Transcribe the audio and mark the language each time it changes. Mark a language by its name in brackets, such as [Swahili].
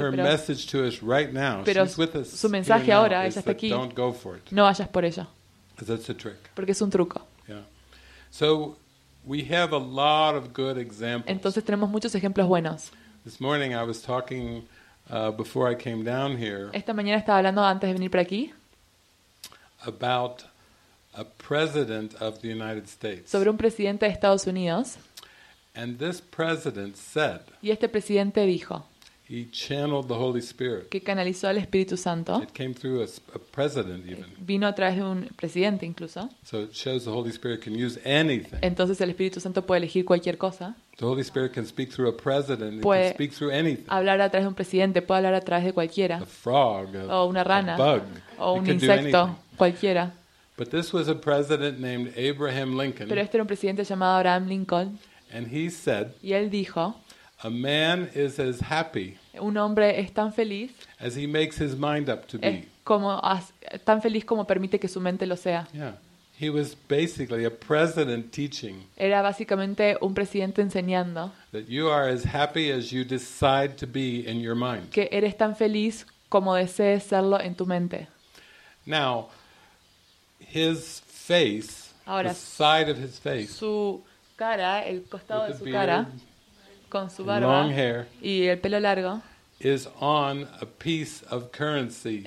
[English] Her message to us right now. She's with us. [Spanish] Su mensaje ahora, ella está aquí. [English] Don't go for it. [Spanish] No vayas por ella. [English] Because that's a trick. [Spanish] Porque es un truco. [English] Yeah. So we have a lot of good examples. [Spanish] Entonces tenemos muchos ejemplos buenos. [English] This morning I was talking before I came down here. [Spanish] Esta mañana estaba hablando antes de venir para aquí. [English] About a president of the United States. [Spanish] Sobre un presidente de Estados Unidos. [English] And this president said. [Spanish] Y este presidente dijo. [English] He channeled the Holy Spirit. [Spanish] Que canalizó al Espíritu Santo. [English] It came through a president even. [Spanish] Vino a través de un presidente incluso. [English] So it shows the Holy Spirit can use anything. [Spanish] Entonces el Espíritu Santo puede elegir cualquier cosa. [English] The Holy Spirit can speak through a president. Puede it can speak through anything. [Spanish] Hablar a través de un presidente, puede hablar a través de cualquiera. [English] A frog. [Spanish] O una rana. [English] A bug. [Spanish] O un insecto. Cualquiera. [English] But this was a president named Abraham Lincoln. [Spanish] Pero este era un presidente llamado Abraham Lincoln. [English] And he said, [Spanish] y él dijo, [English] a man is as happy, [Spanish] un hombre es tan feliz, [English] as he makes his mind up to be, [Spanish] como tan feliz como permite que su mente lo sea. [English] Yeah, he was basically a president teaching. [Spanish] Era básicamente un presidente enseñando [English] that you are as happy as you decide to be in your mind. [Spanish] Que eres tan feliz como desees serlo en tu mente. [English] Now, his face, [Spanish] ahora, [English] the side of his face, [Spanish] su cara, el costado [English] with [Spanish] de su cara, con su barba [English] long hair, [Spanish] y el pelo largo, [English] is on a piece of currency.